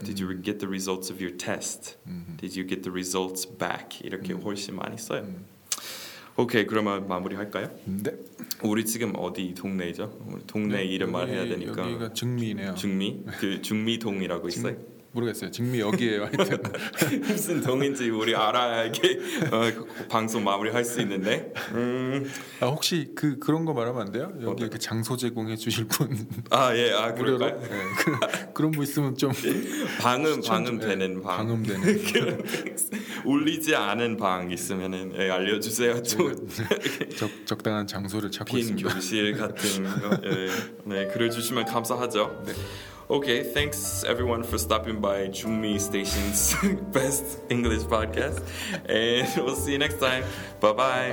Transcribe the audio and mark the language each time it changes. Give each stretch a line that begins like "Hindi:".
English: Did you get the results of your test? Did you get the results back?
Korean: 이렇게 훨씬 많이 써요. 오케이 그러면 마무리할까요? 네. 우리 지금 어디 동네죠? 동네 네, 이름 말해야 되니까. 여기가 증미네요. 증미? 그 증미동이라고 있어요? 모르겠어요. 증미 여기에요. 무슨 동인지 우리 알아야 이게 방송 마무리할 수 있는데. 아 혹시 그 그런 거 말하면 안 돼요? 여기 이렇게 장소 제공해 주실 분. 아 예. 아 그럴까요? 네. 그런 분 있으면 좀 방음 되는 방. 방음 되는. 울리지 않은 방 있으면은 예, 알려주세요. 적당한 장소를 찾고 빈 교실 같은 거. 예. 네, 그래 주시면 감사하죠. 네.
English: Okay, thanks everyone for stopping by Jumi Station's best English podcast. And we'll see you next time. Bye-bye.